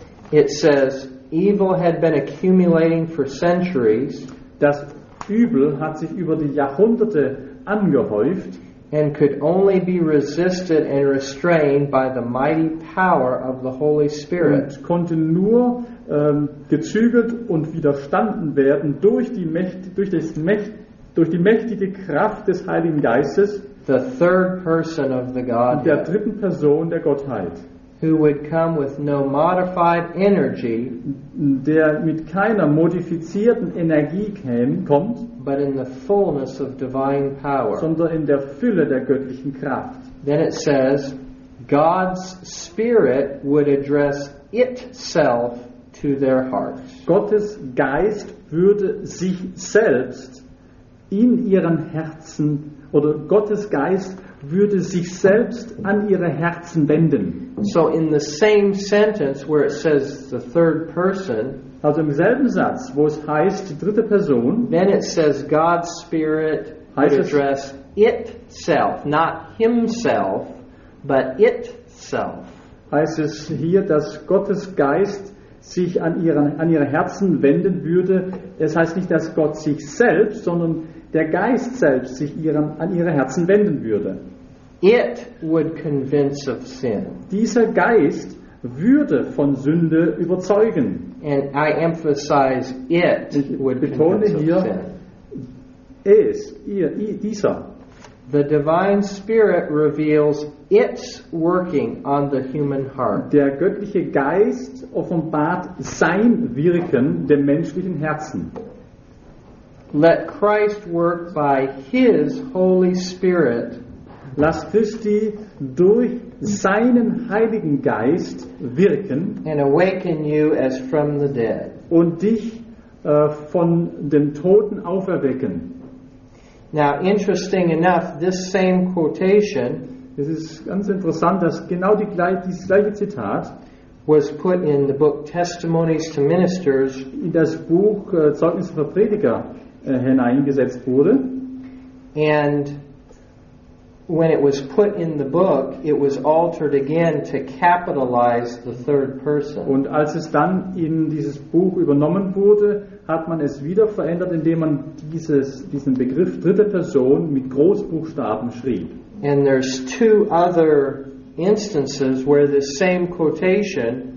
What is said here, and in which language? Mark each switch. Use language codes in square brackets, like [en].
[en] It says, evil had been accumulating for centuries. [de] Das Übel hat sich über die Jahrhunderte angehäuft. [en] And could only be resisted and restrained by the mighty power of the Holy Spirit. [de] Und konnte nur gezügelt und widerstanden werden durch die mächtige Kraft des Heiligen Geistes. [en] The third person of the Godhead. [de] Der dritten Person der Gottheit. [en] Who would come with no modified energy, [de] der mit keiner modifizierten Energie kommt, [en] but in the fullness of divine power, [de] sondern in der Fülle der göttlichen Kraft. [en] Then it says, God's Spirit would address itself to their hearts. [de] Gottes Geist würde sich selbst in ihren Herzen, oder Gottes Geist würde sich selbst an ihre Herzen wenden. [en] So in the same sentence where it says the third person, [de] also im selben Satz, wo es heißt die dritte Person, [en] then it says God's Spirit would address itself, not himself, but itself. [de] Heißt es hier, dass Gottes Geist sich an ihre Herzen wenden würde. Es heißt nicht, dass Gott sich selbst, sondern der Geist selbst sich an ihre Herzen wenden würde. [en] It would convince of sin. [de] Dieser Geist würde von Sünde überzeugen. [en] And I emphasize it would [de] betone hier, [en] of sin. [de] Es, ihr, dieser. [en] The divine spirit reveals its working on the human heart. [de] Der göttliche Geist offenbart sein Wirken dem menschlichen Herzen. [en] Let Christ work by his Holy Spirit. [de] Lass Christi durch seinen Heiligen Geist wirken [en] and awaken you as from the dead. [de] Und dich von den Toten auferwecken. [en] Now, interesting enough, this same quotation, [de] es ist ganz interessant, dass genau dieses gleiche Zitat [en] was put in the book Testimonies to Ministers, [de] in das Buch Zeugnisse für Prediger hineingesetzt wurde. [en] And when it was put in the book, it was altered again to capitalize the third person. [de] Und als es dann in dieses Buch übernommen wurde, hat man es wieder verändert, indem man diesen Begriff dritte Person mit Großbuchstaben schrieb. [en] And there's two other instances where the same quotation.